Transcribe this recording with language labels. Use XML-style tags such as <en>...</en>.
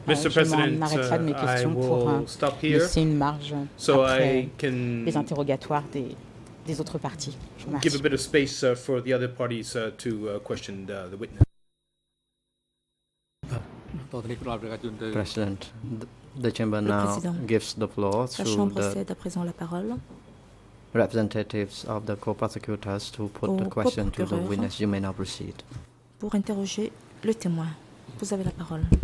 <fr>je m'arrêterai de mes questions pour laisser une marge après les interrogatoires des autres parties.</fr> <en>Give a bit of space for the other parties to question the witness. President, the chamber now gives the floor to the representatives of the co-prosecutors to put the question to the witness. You may now proceed.</en> <fr>Pour interroger le témoin, vous avez la parole.</fr>